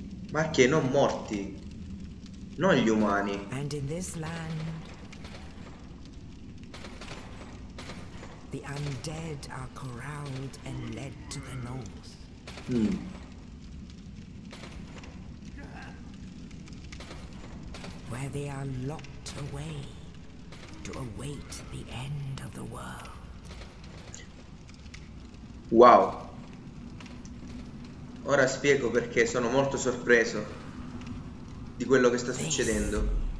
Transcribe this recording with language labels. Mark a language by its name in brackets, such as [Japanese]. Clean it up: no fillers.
[Italian] Ma che non morti, non gli umani. [English] And in this land, the undead are corralled and led to the north. Where they are locked away to await the end of the world. Wow. [Italian] Ora spiego perché sono molto sorpreso di quello che sta succedendo.